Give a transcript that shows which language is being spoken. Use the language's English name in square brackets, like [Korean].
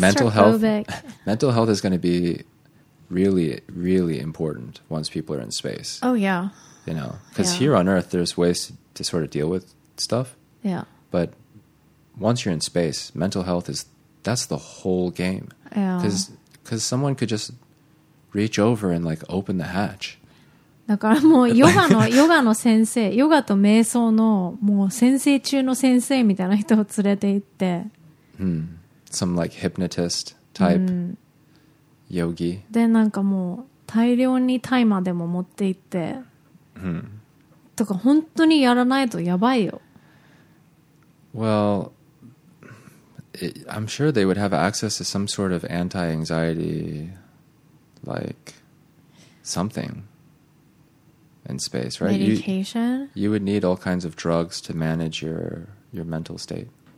[English] mental health is going to be really, really important once people are in space. Oh, yeah. You know, because here on Earth, there's ways to sort of deal with stuff. Yeah. But once you're in space, mental health is, that's the whole game. Yeah. Because someone could just reach over and, like, open the hatch. [Japanese] だからもうヨガの先生、ヨガと瞑想のもう先生中の先生みたいな人を連れて行って。 [English] Hmm. Some like hypnotist type yogi. [Japanese] でなんかもう大量にタイマーでも持って行って。 Hmm. とか本当にやらないとやばいよ。 [English] Well, I'm sure they would have access to some sort of anti-anxiety, like something. In space, right? Medication? You would need all kinds of drugs to manage your mental state.